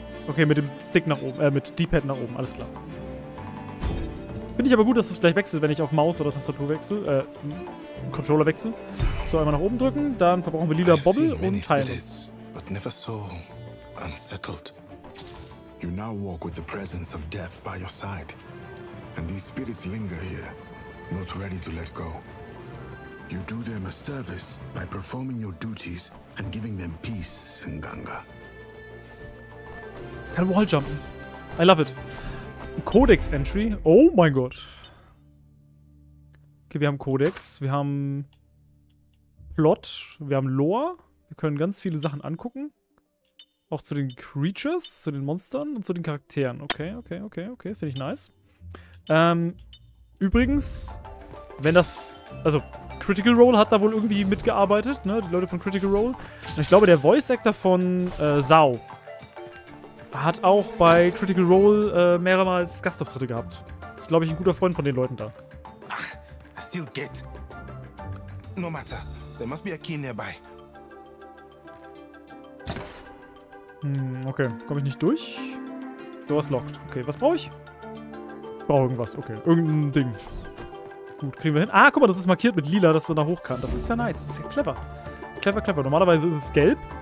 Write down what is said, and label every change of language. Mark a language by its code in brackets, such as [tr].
[de] Okay, mit dem Stick nach oben. Mit D-Pad nach oben. Alles klar. Finde ich aber gut, dass es gleich wechselt, wenn ich auf Maus oder Tastatur wechsle. Controller wechsle. So, einmal nach oben drücken. Dann verbrauchen wir lila Bobbel und teilen uns. [en] But never so unsettled. You now walk with the presence of death by your side. And these spirits linger here, not ready to let go. You do them a service by performing your duties and giving them peace in Ganga. [de] Kann Wall jumpen. [en] I love it. [de] Codex Entry. Oh mein Gott. Okay, wir haben Codex. Wir haben Plot. Wir haben Lore. Wir können ganz viele Sachen angucken. Auch zu den Creatures, zu den Monstern und zu den Charakteren. Okay, okay, okay, okay. Finde ich nice. Übrigens, wenn das... Also, Critical Role hat da wohl irgendwie mitgearbeitet, ne? Die Leute von Critical Role. Und ich glaube, der Voice Actor von Zhao hat auch bei Critical Role mehrmals Gastauftritte gehabt. Das ist, glaube ich, ein guter Freund von den Leuten da. [en] Ach, a sealed gate. No matter. There must be a key nearby. [de] Okay, komme ich nicht durch? [en] Doors locked. [de] Okay, was brauche ich? Ich brauche irgendwas, okay. Irgendein Ding. Gut, kriegen wir hin. Ah, guck mal, das ist markiert mit lila, dass man da hoch kann. Das ist ja nice, das ist ja clever. Clever, clever. Normalerweise ist es gelb.